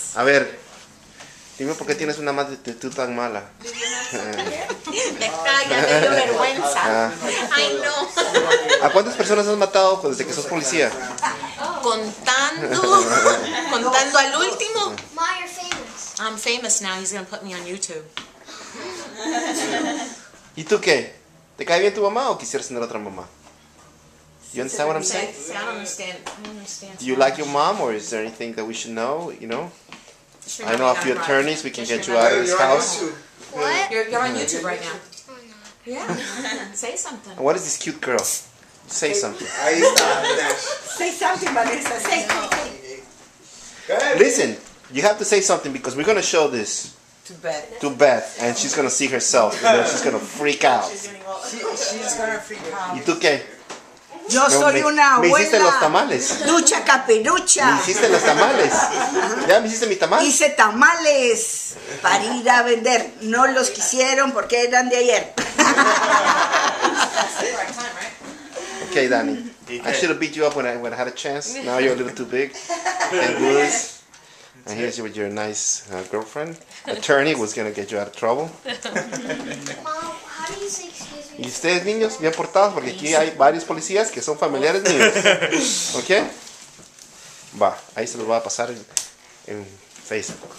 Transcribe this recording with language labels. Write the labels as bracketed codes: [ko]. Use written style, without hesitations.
[es] A ver, dime por qué tienes una actitud tan mala. Me extraña, me dio vergüenza. Ay, no. ¿A cuántas personas has matado desde que sos policía? Contando al último. [en] I'm famous now, he's gonna put me on YouTube. [es] ¿Y tú qué? ¿Te cae bien tu mamá o quisieras tener otra mamá? [en] You understand what I'm saying? I don't understand. Do you like your mom, or is there anything that we should know, you know? Sure, I know a few attorneys, we can get you out of this house. What? You're on YouTube right now. Oh, no. Yeah. Say something. What is this cute girl? Say something. Say something, Vanessa. Say something. Listen, you have to say something because we're going to show this. To Beth, and she's gonna see herself, and then she's gonna freak out. She's gonna freak out. [es] ¿Y tú qué? Yo soy una abuela. Me hiciste los tamales. Ducha capirucha. Me hiciste los tamales. Ya me hiciste mi tamal. Hice tamales para ir a vender. No los quisieron porque eran de ayer. [en] Okay, Dani. I should have beat you up when I had a chance. Now you're a little too big. And loose. And here's you with your nice girlfriend. Attorney was going to get you out of trouble. Mom, how do you say excuse me? [es] Y ustedes, niños, bien portados, porque aquí hay varios policías que son familiares míos. Okay? Va, ahí se los va a pasar en Facebook.